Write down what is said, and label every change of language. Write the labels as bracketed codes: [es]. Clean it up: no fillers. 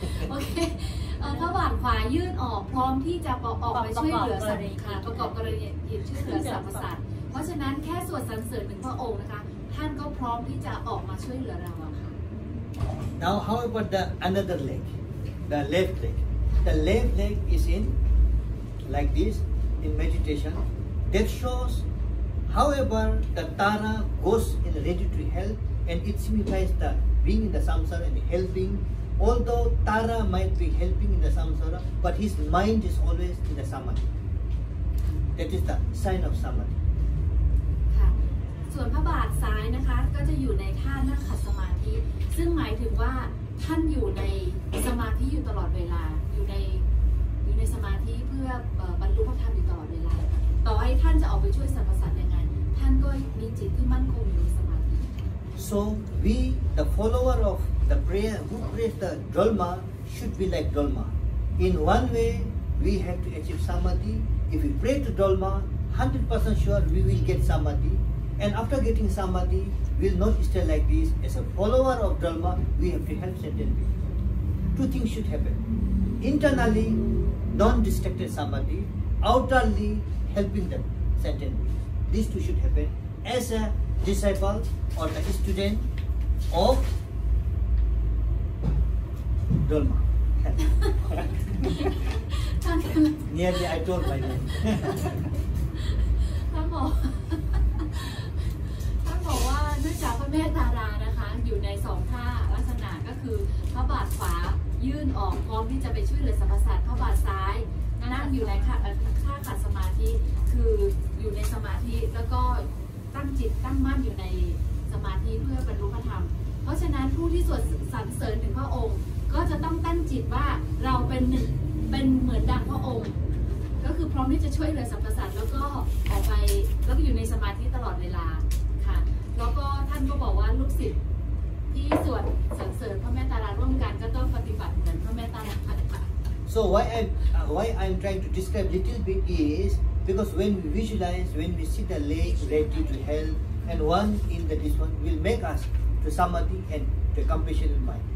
[th] โอเคพระบาทขวายื่นออกพร้อมที่จะออกไปช่วยเหลือสัตว์ค่ะประกอบกรณีหยิบช่วยเหลือสัตว์ประสาทเพราะฉะนั้นแค่สวดสรรเสริญถึงพระองค์นะคะท่านก็พร้อมที่จะออกมาช่วยเหลือเราค่ะ [en] Now how about the another leg the left leg the left leg is in like this in meditation that showsHowever, the Tara goes and ready to help, and it signifies the being in the samsara and helping. Although Tara might be helping in the samsara, but his mind is always in the samadhi. That is the sign of samadhi. [th] ค่ะ ส่วนพระบาทซ้ายนะคะก็จะอยู่ในท่านั่งขัดสมาธิซึ่งหมายถึงว่าท่านอยู่ในสมาธิอยู่ตลอดเวลาอยู่ในสมาธิเพื่อบรรลุพระธรรมอยู่ตลอดเวลาต่อให้ท่านจะออกไปช่วยสรรพสัตว์ยังไงท่านก็มีจิตที่มั่นคงอยู่ในสมาธิ [en] So we the follower of the prayer who prays the dholma should be like dholma in one way we have to achieve samadhi if we pray to dholma 100% sure we will get samadhi and after getting samadhi we'll not stay like this as a follower of dholma we have to help sentient beings two things should happen internally non-distracted samadhi outerly helping them sentient beings these two should happen as a disciple or a student of dholma nearly I told my name [th] ท่านบอกว่าเนื่องจากพระเมตตารานะคะอยู่ในสองท่าลักษณะก็คือพระบาทขวายื่นออกพร้อมที่จะไปช่วยเหลือสรรพสัตว์พระบาทซ้ายนั่งอยู่ในท่าขัดสมาธิคืออยู่ในสมาธิแล้วก็ ตั้งจิตตั้งมั่นอยู่ในสมาธิเพื่อบรรลุพระธรรมเพราะฉะนั้นผู้ที่สวดสรรเสริญถึงพระองค์ก็จะต้องตั้งจิตว่าเราเป็นหนึ่งเป็นเหมือนดังพระองค์ก็คือพร้อมที่จะช่วยเหลือสรรพสัตว์แล้วก็ออกไปแล้วก็อยู่ในสมาธิตลอดเวลาค่ะแล้วก็ท่านก็บอกว่าลูกศิษย์ที่สวดสรรเสริญพระแม่ตาราร่วมกันก็ต้องปฏิบัติเหมือนพระแม่ตาราค่ะ [en] So why I'm trying to describe little bit is because when we visualize, when we see the leg ready to help and one in the this one will make us to samadhi and to compassionate mind.